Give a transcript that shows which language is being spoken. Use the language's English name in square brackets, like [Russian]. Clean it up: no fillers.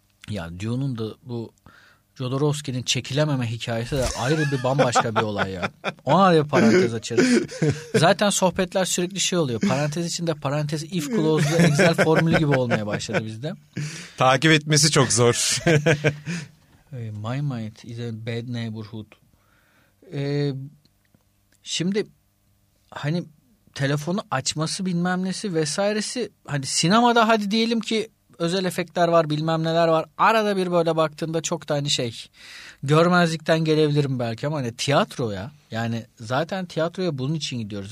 [Turkish] Ya Dune'un da bu Jodorowsky'nin çekilememe hikayesi de ayrı bir bambaşka bir olay ya. Ona da bir parantez açarız. Zaten sohbetler sürekli şey oluyor. Parantez içinde parantez, [English] if closed, [Turkish] Excel formülü gibi olmaya başladı bizde. Takip etmesi çok zor. [English] My mind is a bad neighborhood. [Turkish] Şimdi hani telefonu açması bilmem nesi vesairesi, hani sinemada hadi diyelim ki özel efektler var, bilmem neler var. Arada bir böyle baktığında çok da hani şey, görmezlikten gelebilirim belki ama hani tiyatroya, yani zaten tiyatroya bunun için gidiyoruz.